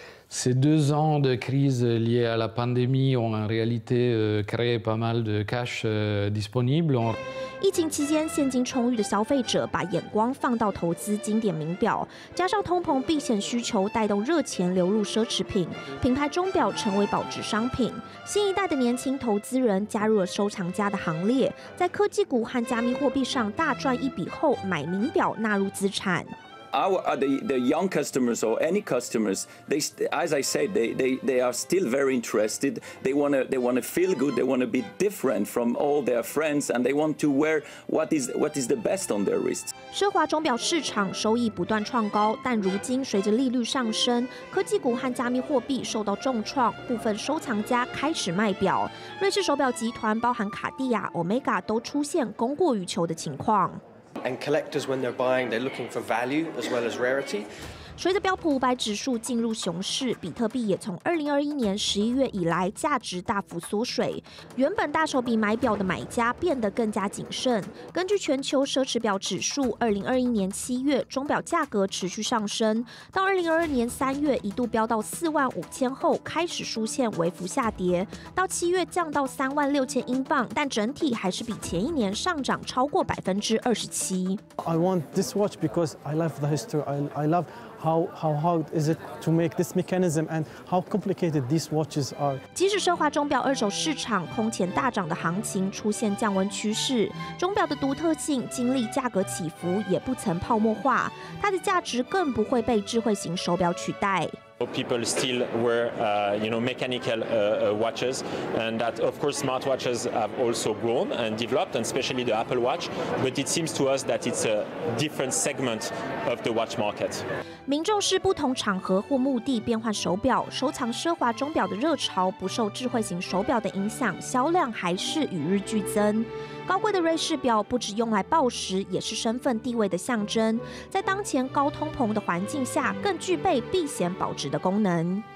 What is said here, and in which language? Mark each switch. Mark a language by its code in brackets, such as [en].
[fr] Ces deux ans de crise liée à la pandémie ont en réalité créé pas mal de cash disponible. [zh] 疫情期间，现金充裕的消费者把眼光放到投资经典名表，加上通膨避险需求带动热钱流入奢侈品，品牌钟表成为保值商品。新一代的年轻投资人加入了收藏家的行列，在科技股和加密货币上大赚一笔后，买名表纳入资产。 [en] The young customers or any customers, they are still very interested. They want to feel good. They want to be different from all their friends, and they want to wear what is the best on their wrists. [zh] 奢华钟表市场收益不断创高，但如今随着利率上升，科技股和加密货币受到重创，部分收藏家开始卖表。瑞士手表集团包含卡地亚、Omega 都出现供过于求的情况。 [en] And collectors, when they're buying, they're looking for value as well as rarity. [zh] 随着标普500指数进入熊市，比特币也从2021年11月以来价值大幅缩水。原本大手笔买表的买家变得更加谨慎。根据全球奢侈表指数，2021年7月钟表价格持续上升，到2022年3月一度飙到4万5000后开始出现微幅下跌，到7月降到3万6000英镑，但整体还是比前一年上涨超过 27%。 [en] I want this watch because I love the history. I loveHow hard is it to make this mechanism, and how complicated these watches are? [zh] 即使奢华钟表二手市场空前大涨的行情出现降温趋势，钟表的独特性经历价格起伏也不曾泡沫化，它的价值更不会被智慧型手表取代。 [en] People still wear, you know, mechanical watches, and that of course smartwatches have also grown and developed, and especially the Apple Watch. But it seems to us that it's a different segment of the watch market. [zh] 民众视不同场合或目的变换手表，收藏奢华钟表的热潮不受智慧型手表的影响，销量还是与日俱增。高贵的瑞士表不只用来报时，也是身份地位的象征。在当前高通膨的环境下，更具备避险保值的功能。